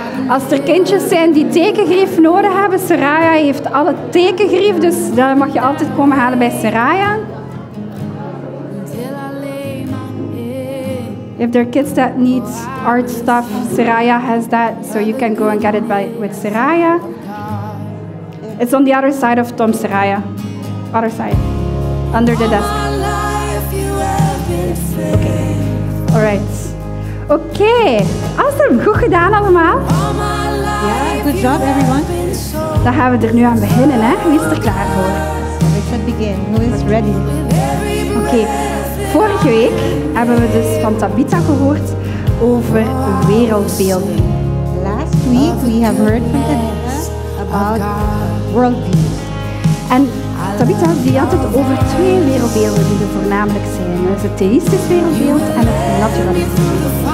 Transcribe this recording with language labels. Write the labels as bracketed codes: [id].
[nl] Als er kindjes zijn die tekengrief nodig hebben, Saraya heeft alle tekengrief, dus daar mag je altijd komen halen bij Saraya. [en] If there are kids that need art stuff, Saraya has that, so you can go and get it with Saraya. It's on the other side of Tom Saraya. Other side. Under the desk. Okay. All right. Okay. Awesome. [nl] Goed gedaan allemaal. [en] Yeah, good job everyone. [nl] Dan gaan we er nu aan beginnen, hè? Wie is er klaar voor? [en] We should begin. Who is ready? Okay. [nl] Vorige week hebben we dus van Tabitha gehoord over wereldbeelden. [en] Last week we have heard from Tabitha about worldviews. [nl] And Tabitha die had het over twee wereldbeelden die er voornamelijk zijn. Dat is het theïstisch wereldbeeld en het naturalistisch wereldbeeld.